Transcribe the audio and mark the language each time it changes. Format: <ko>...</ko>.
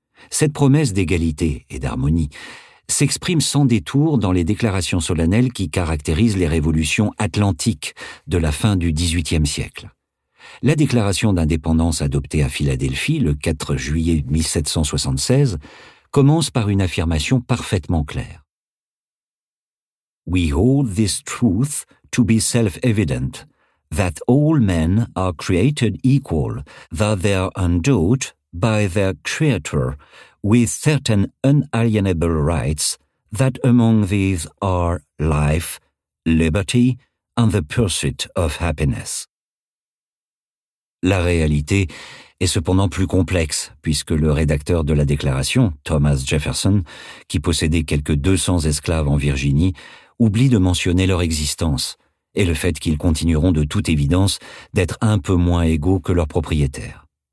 <fr>Cette promesse d'égalité et d'harmonie s'exprime sans détour dans les déclarations solennelles qui caractérisent les révolutions atlantiques de la fin du XVIIIe siècle. La déclaration d'indépendance adoptée à Philadelphie le 4 juillet 1776 commence par une affirmation parfaitement claire.</fr> <en>« We hold this truth to be self-evident » that all men are created equal, that they are endowed by their Creator with certain unalienable rights, that among these are life, liberty, and the pursuit of happiness.</en> <fr>La réalité est cependant plus complexe, puisque le rédacteur de la déclaration, Thomas Jefferson, qui possédait quelque 200 esclaves en Virginie, oublie de mentionner leur existence, et le fait qu'ils continueront de toute évidence d'être un peu moins égaux que leurs propriétaires.</fr>